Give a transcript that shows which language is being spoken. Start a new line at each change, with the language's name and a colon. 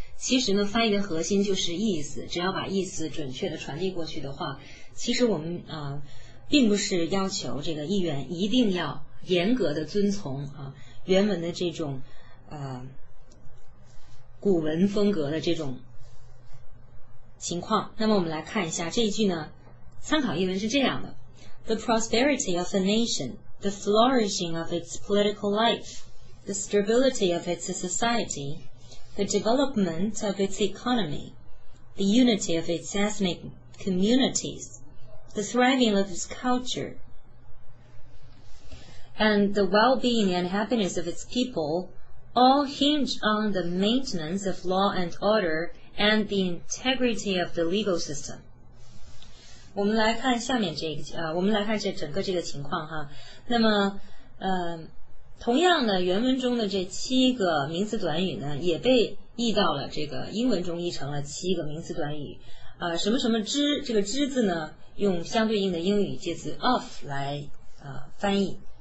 Chinese: 其实呢翻译的核心就是意思，只要把意思准确的传递过去的话，其实我们并不是要求这个译员一定要严格的遵从原文的这种古文风格的这种情况。那么我们来看一下这一句呢，参考译文是这样的。
English: The prosperity of a nation, the flourishing of its political life, the stability of its society, the development of its economy, the unity of its ethnic communities, the thriving of its culture, and the well-being and happiness of its people all hinge on the maintenance of law and order and the integrity of the legal system.
Chinese: 我们来看下面这个我们来看这整个这个情况哈。那么同样的原文中的这七个名词短语呢，也被译到了这个英文中，译成了七个名词短语。什么什么之，这个之字呢用相对应的英语介词 of 来翻译。